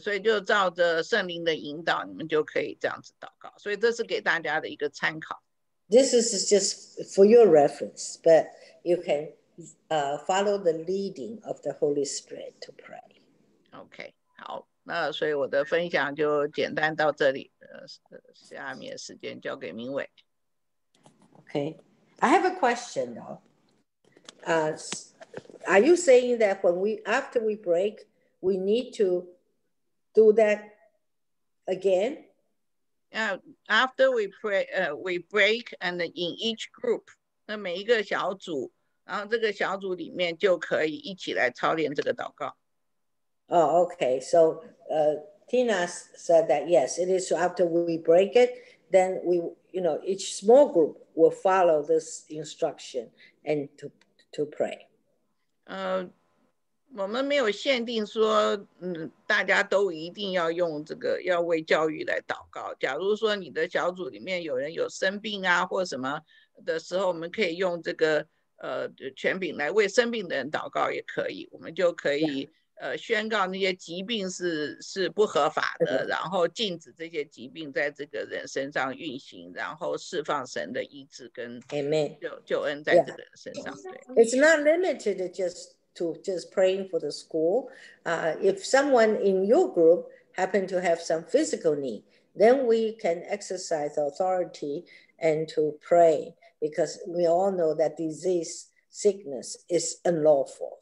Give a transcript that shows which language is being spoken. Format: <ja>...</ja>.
<zh>所以就照着圣灵的引导，你们就可以这样子祷告。所以这是给大家的一个参考。</zh> <en>This is just for your reference, but you can follow the leading of the Holy Spirit to pray.</en> <zh>Okay, 好，那所以我的分享就简单到这里。下面时间交给明伟。</zh> <en>Okay, I have a question though. Are you saying that after we break, we need to do that again? After we pray, we break and in each group,</en> <zh>那每一个小组，然后这个小组里面就可以一起来操练这个祷告。</zh> <en>Oh, okay. So, Tina said that yes, it is after we break it, then we, you know, each small group will follow this instruction and to pray.</en> <zh>我们没有限定说，大家都一定要用这个要为教育来祷告。假如说你的小组里面有人有生病啊或什么的时候，我们可以用这个权柄来为生病的人祷告也可以。我们就可以、宣告那些疾病是不合法的，然后禁止这些疾病在这个人身上运行，然后释放神的医治跟</zh> <en>Amen</en> <zh>救恩在这个人身上。对</zh> <en>，It's not limited to just praying for the school. If someone in your group happen to have some physical need, then we can exercise authority and to pray because we all know that disease, sickness is unlawful.</en>